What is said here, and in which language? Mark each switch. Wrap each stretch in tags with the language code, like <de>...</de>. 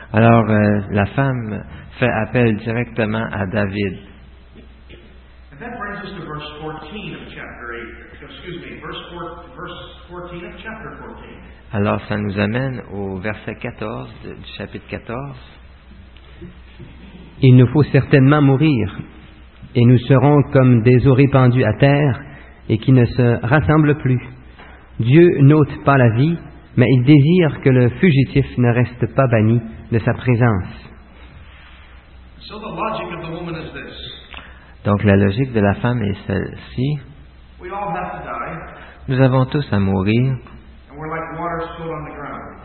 <fr>Alors, la femme fait appel directement à David.</fr> <en>And that brings us to verse 14 of chapter 8. Excuse me, verse 14 of chapter 14.</en> <fr>Alors, ça nous amène au verset 14 du chapitre 14. Il nous faut certainement mourir, et nous serons comme des eaux répandues à terre et qui ne se rassemblent plus. Dieu n'ôte pas la vie, mais il désire que le fugitif ne reste pas banni de sa présence.</fr> <en>So the logic of the woman is this.</en> <fr>Donc la logique de la femme est celle-ci.</fr> <en>We all have to die.</en> <fr>Nous avons tous à mourir.</fr> <en>And we're like water stood on the ground.</en>